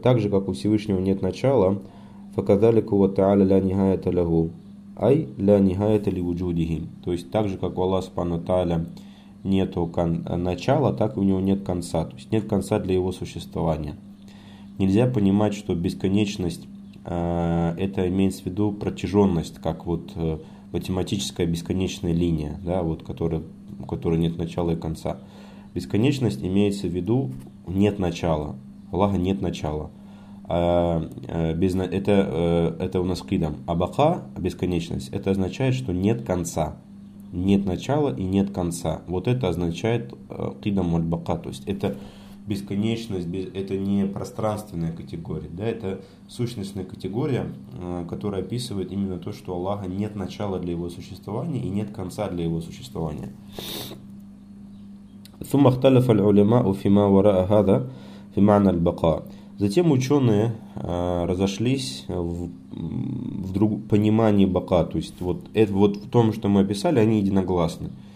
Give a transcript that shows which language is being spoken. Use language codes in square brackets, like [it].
[ru] Так же, как у Всевышнего нет начала, [ar] فَكَذَلِكُ وَتَعَالَ لَا نِهَايَةَ لَهُ أَيْ لَا نِهَايَةَ لِوُجُودِهِ. [ru] То есть так же, как у Аллаха Субхану Та'аля нет начала, так и у него нет конца. То есть нет конца для его существования. Нельзя понимать, что бесконечность — это имеется в виду протяженность, как вот математическая бесконечная линия, да, вот, у которой нет начала и конца. Бесконечность имеется в виду нет начала. Аллаха нет начала. Это у нас кидом. А бака, бесконечность, это означает, что нет конца. Нет начала и нет конца. Вот это означает кидом аль-бака. То есть это бесконечность, это не пространственная категория, да, это сущностная категория, которая описывает именно то, что у Аллаха нет начала для его существования и нет конца для его существования. [ar] ثم اختلف العلماء فيما وراء هذا في معنى البقاء. [ru] Затем ученые разошлись в понимании бака, то есть вот это вот в том, что мы описали, они единогласны.